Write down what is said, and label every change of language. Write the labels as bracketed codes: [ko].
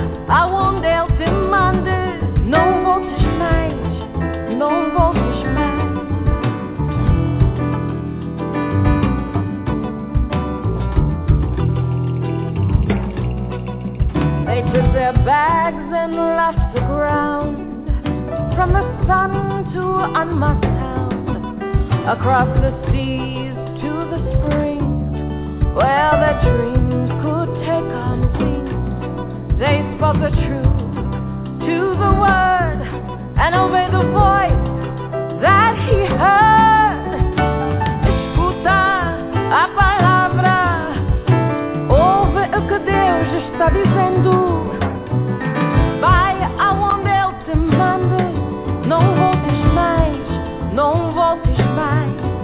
[pt] Aonde ele te manda, não voltes mais, não voltes mais. [en] They took their bags and left the ground, from the sun to Annemasse town, across the seas to the spring, where their dreams could take on wings. They spoke the truth to the word and obeyed the voice that he heard. [pt] Escuta a palavra, ouve o que Deus está dizendo. Vai aonde ele te manda, não voltes mais, não voltes mais.